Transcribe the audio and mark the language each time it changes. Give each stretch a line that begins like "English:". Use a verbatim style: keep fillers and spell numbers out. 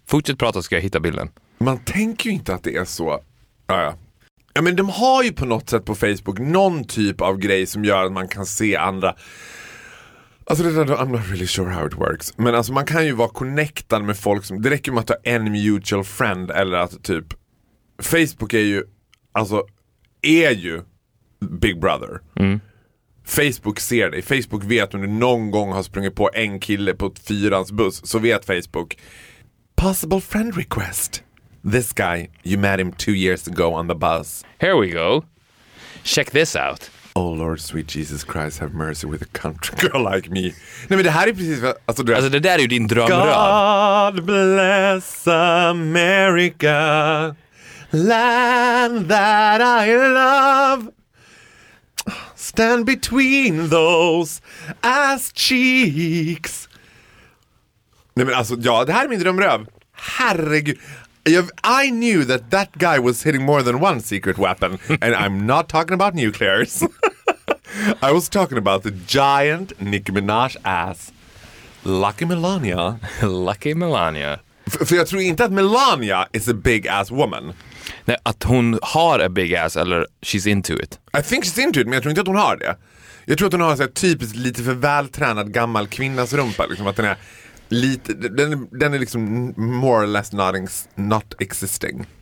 Swedish: Fortsätt prata så ska jag hitta bilden. Man tänker ju inte att det är så. Ja, ja. Ja, men de har ju på något sätt på Facebook någon typ av grej som gör att man kan se andra. Alltså det där,
English: I'm not really sure how it works.
Swedish: Men alltså man kan ju vara connectad med folk som, det räcker med att ha en mutual friend. Eller att typ Facebook är ju, alltså är ju Big Brother. Mm. Facebook ser dig. Facebook vet om du någon gång har sprungit på en kille på ett fyrans buss, så vet Facebook.
English: Possible friend request. This guy, you met him two years ago on the bus. Here we go. Check this out. Oh Lord sweet Jesus Christ have mercy with a country girl like me.
Swedish: Nej men det här är precis vad, alltså, du, alltså det där är ju din
English: drömrad. God bless America, land that I love. Stand between those ass cheeks.
Swedish: Nej men alltså, ja, det här är min drömröv. Herregud.
English: I knew that that guy was hitting more than one secret weapon. And I'm not talking about nuclears. I was talking about the giant Nicki Minaj ass. Lucky Melania. Lucky Melania.
Swedish: F- för jag tror inte att Melania
English: is a big ass woman.
Swedish: Nej, att hon har
English: a big ass eller she's into it. I think she's into it,
Swedish: men jag tror inte att hon har det. Jag tror att hon har en typiskt lite för vältränad gammal kvinnas rumpa. Liksom, att den är lite, den, den är liksom
English: more or less not, not existing.